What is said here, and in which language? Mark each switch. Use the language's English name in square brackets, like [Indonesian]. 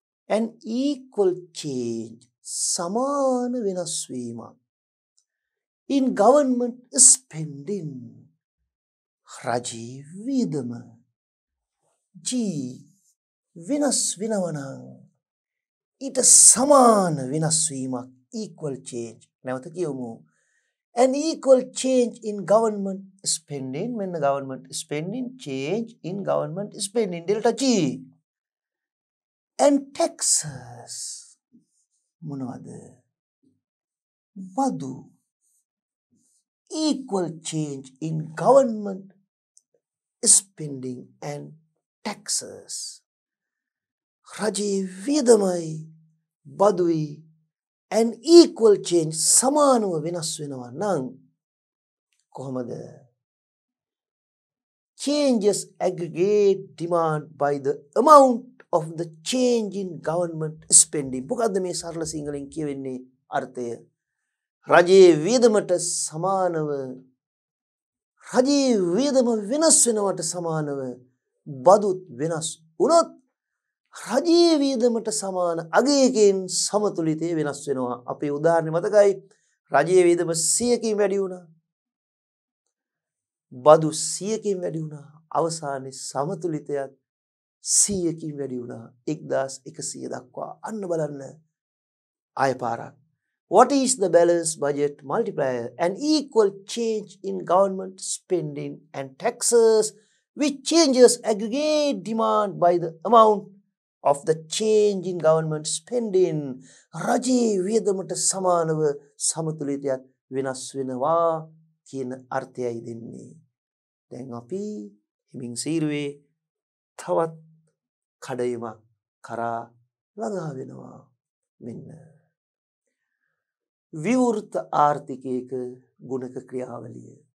[English] An equal change, [Sinhala] සමාන වෙනස් වීම. [English] In government spending, [Sinhala] Raji වීදම. G, වෙනස් වෙනවනං ඊට සමාන වෙනස් වීමක්. [English] Equal change, [Sinhala] නැවත කියමු. [English] An equal change in government spending, [Sinhala] මෙන්න [English] government spending, change in government spending, delta G. And taxes, [Sinhala] මොනවද? බදු. [English] Equal change in government spending and taxes. [Sinhala] රජයේ වියදමයි බදුයි [English] an equal change, [Sinhala] සමානව වෙනස් වෙනවා නම් කොහොමද? [English] Changes aggregate demand by the amount of the change in government spending. [Sinhala] මොකද්ද මේ සරල සිංහලෙන් කියවෙන්නේ අර්ථය? රජයේ වියදමට සමානව, රජයේ වියදම වෙනස් වෙනවට සමානව බදුත් වෙනස් වුණොත් රජයේ වියදමට සමාන අගයකින් සමතුලිතය වෙනස් වෙනවා. අපේ උදාහරණ මතකයි, රජයේ වියදම 100කින් වැඩි වුණා, බදු 100කින් වැඩි වුණා, අවසානයේ සමතුලිතයත් 100කින් වැඩි වුණා 1100 දක්වා. අන්න බලන්න ආය පාරක්. [English] What is the balance budget multiplier? An equal change in government spending and taxes, which changes aggregate demand by the amount of the change in government spending. [Sinhala] රජයේ වියදමට සමානව සමතුලිතයක් වෙනස් වෙනවා කියන අර්ථයයි දෙන්නේ. දැන් අපි හිමින් සීරුවේ තවත් කඩයිමක් කරා ළඟා වෙනවා. මෙන්න විවෘත ආර්ථිකයක ගුණක ක්‍රියාවලිය.